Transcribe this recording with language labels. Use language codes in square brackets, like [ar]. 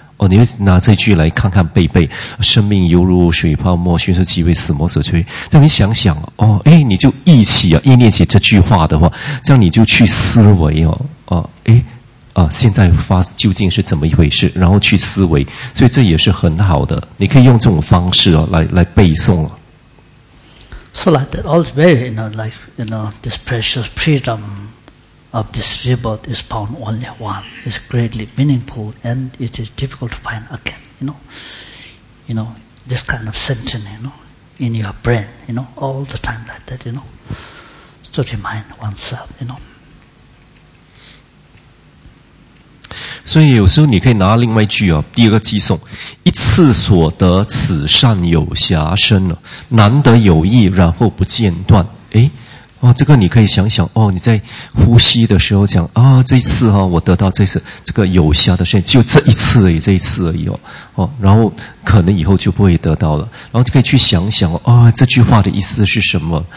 [zh] 哦，你拿这句来看看背背，生命犹如水泡沫，迅速即为死魔所摧。这样你想想，哦，哎，你就忆起啊，忆念起这句话的话，这样你就去思维哦，现在究竟是怎么一回事？然后去思维，所以这也是很好的，你可以用这种方式哦，来背诵哦。 [en] So like that, all very, you know, like you know, this precious freedom. Of this rebirth is found only one. It's greatly meaningful, and it is difficult to find again. You know, this kind of sentence, you know, in your brain, you know, all the time like that, you know, to remind oneself, you know. [zh] 所以有时候你可以拿另外一句啊，第二个偈颂，一次所得此善有暇身了，难得有益，然后不间断。哎，哦，这个你可以想想哦，你在呼吸的时候讲啊，哦，这一次哈，哦，我得到这次这个有暇的身，就这一次而已，这一次而已哦，然后可能以后就不会得到了，然后就可以去想想啊，哦，这句话的意思是什么？